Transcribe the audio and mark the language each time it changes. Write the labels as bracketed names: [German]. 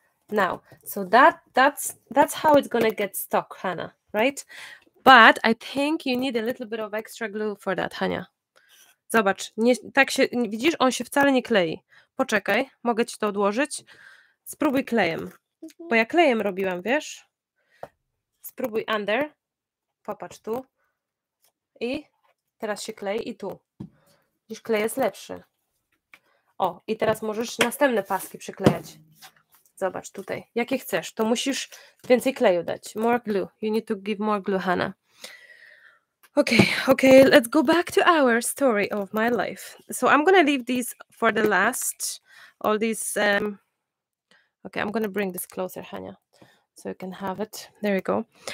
[English] Now, so that's how it's going to get stuck, Hannah, right? But I think you need a little bit of extra glue for that, Hania. [Polish] Zobacz, nie, tak się, widzisz, on się wcale nie klei. Poczekaj, mogę ci to odłożyć. Spróbuj klejem. Bo ja klejem robiłam, wiesz? Spróbuj under. Popatrz tu. I teraz się klei i tu. Widzisz, klej jest lepszy. O, i teraz możesz następne paski przyklejać. Zobacz tutaj. Jakie chcesz, to musisz więcej kleju dać. [English] More glue. You need to give more glue, Hannah. Okay, let's go back to our story of my life. So I'm gonna leave these for the last. All these... Okay, I'm going to bring this closer, Hania, so you can have it. There you go.